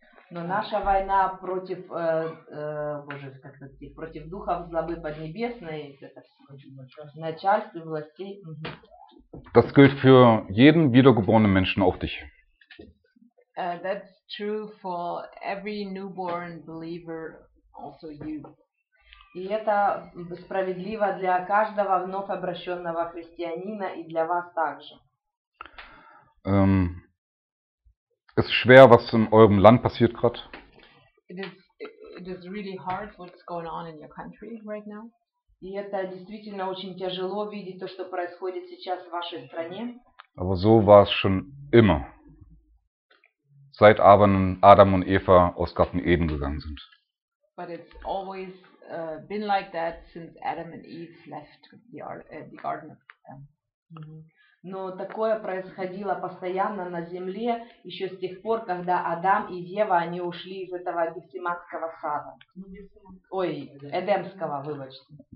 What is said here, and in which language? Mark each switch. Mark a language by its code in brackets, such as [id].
[ru] Но наша война против, Боже, как это сказать, против духов злобы поднебесной, начальств и властей. [de] Das gilt für jeden wiedergeborenen Menschen, auch dich. [en] That's true for every newborn believer, also you. [ru] И это справедливо для каждого вновь обращенного христианина и для вас также. [de] Es ist schwer, was in eurem Land passiert gerade. [en] It is really hard what's going on in your country right now. [ru] И это действительно очень тяжело видеть то, что происходит сейчас в вашей стране. [de] Aber so war es schon immer. Seit Adam und Eva aus Garten Eden gegangen sind. [en] But it's always been like that since Adam and Eve left the garden. [ru] Но такое происходило постоянно на земле еще с тех пор, когда Адам и Ева они ушли из этого Гефсиманского сада. Ой, Эдемского, выводчика.